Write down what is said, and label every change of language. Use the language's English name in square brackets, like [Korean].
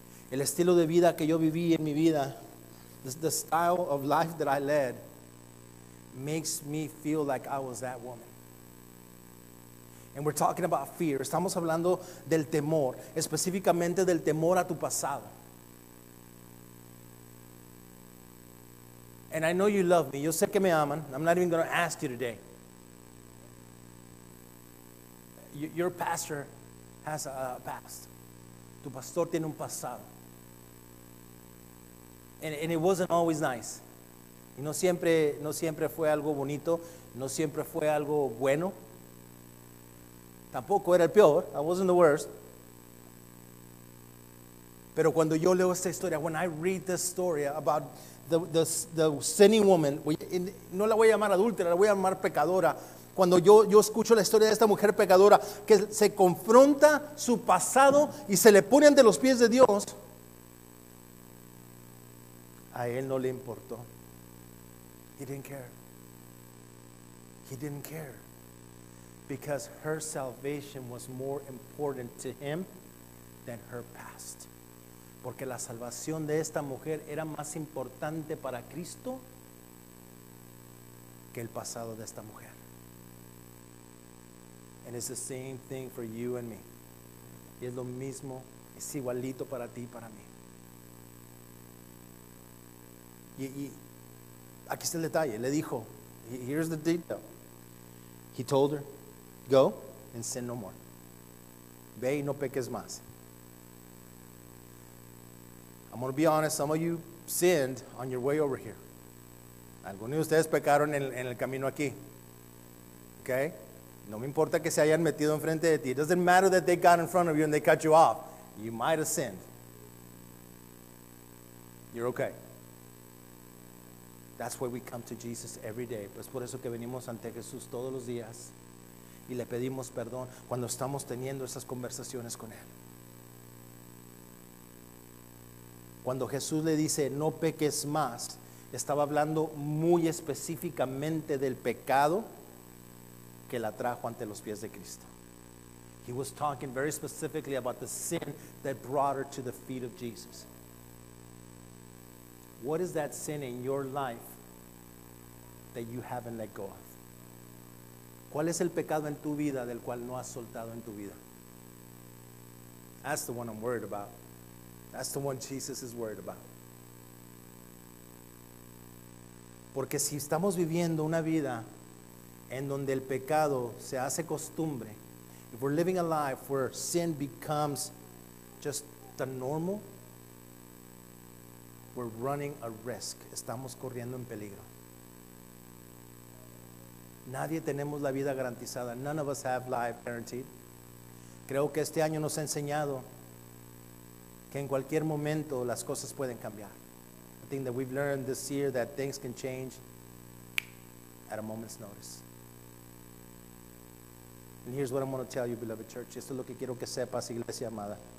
[Spanish] El estilo de vida que yo viví en mi vida, [English] the style of life that I led, makes me feel like I was that woman. And we're talking about fear. [Spanish] Estamos hablando del temor, específicamente del temor a tu pasado. [English] And I know you love me. [Spanish] Yo sé que me aman. [English] I'm not even going to ask you today. Your pastor has a past. [Spanish] Tu pastor tiene un pasado. [English] And it wasn't always nice. [Spanish] Y no siempre fue algo bonito. No siempre fue algo bueno. Tampoco era el peor. [English] I wasn't the worst. [Spanish] Pero cuando yo leo esta historia, [English] when I read this story about the sinning woman, [Spanish] no la voy a llamar adúltera, la voy a llamar pecadora. Cuando yo escucho la historia de esta mujer pecadora que se confronta su pasado y se le pone ante los pies de Dios, a Él no le importó. [English] He didn't care. He didn't care. Because her salvation was more important to Him than her past. [Spanish] Porque la salvación de esta mujer era más importante para Cristo que el pasado de esta mujer. [English] And it's the same thing for you and me. [Spanish] Y es lo mismo, es igualito para ti y para mí. Y aquí está el detalle, le dijo, [English] here's the detail. He told her, go and sin no more. [Spanish] Ve y no peques más. [English] I'm going to be honest, some of you sinned on your way over here. [Spanish] Algunos de ustedes pecaron en el camino aquí. [English] Okay? [Spanish] No me importa que se hayan metido enfrente de ti. [English] It doesn't matter that they got in front of you and they cut you off. You might have sinned. You're okay. That's why we come to Jesus every day. [Spanish] Pues por eso que venimos ante Jesús todos los días y le pedimos perdón cuando estamos teniendo esas conversaciones con Él. Cuando Jesús le dice, no peques más, estaba hablando muy específicamente del pecado que la trajo ante los pies de Cristo. [English] He was talking very specifically about the sin that brought her to the feet of Jesus. What is that sin in your life that you haven't let go of? [Spanish] ¿Cuál es el pecado en tu vida del cual no has soltado en tu vida? [English] That's the one I'm worried about. That's the one Jesus is worried about. [Spanish] Porque si estamos viviendo una vida en donde el pecado se hace costumbre, [English] if we're living a life where sin becomes just the normal, we're running a risk. [Spanish] Estamos corriendo en peligro. Nadie tenemos la vida garantizada. [English] None of us have life guaranteed. [Spanish] Creo que este año nos ha enseñado que en cualquier momento las cosas pueden cambiar. [English] I think that we've learned this year that things can change at a moment's notice. And here's what I'm going to tell you, beloved church. [Spanish] Esto es lo que quiero que sepas, iglesia amada.